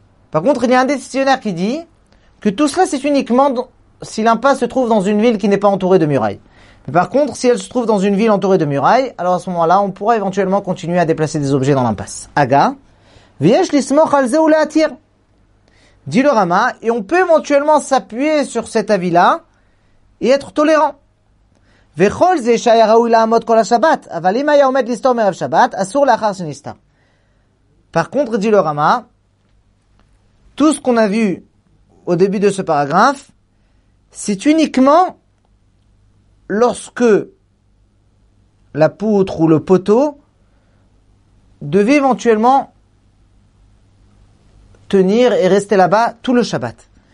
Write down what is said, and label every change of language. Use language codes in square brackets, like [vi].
[fr] Par contre, il y a un décisionnaire qui dit que tout cela, c'est uniquement si l'impasse se trouve dans une ville qui n'est pas entourée de murailles. Mais par contre, si elle se trouve dans une ville entourée de murailles, alors à ce moment-là, on pourra éventuellement continuer à déplacer des objets dans l'impasse. [he] Aga, vieh lismoch al zeh ou leatir. [fr] Dit le Rama, et on peut éventuellement s'appuyer sur cet avis-là et être tolérant. [he] וכל זה שהיה ראוי לעמוד כל השבת, אבל אם היה עומד לסתור מרב שבת, אסור לאחר שנסתר. [fr] Par contre, dit le Rama, tout ce qu'on a vu au début de ce paragraphe, c'est uniquement lorsque la poutre ou le poteau devait éventuellement tenir et rester là-bas tout le Shabbat.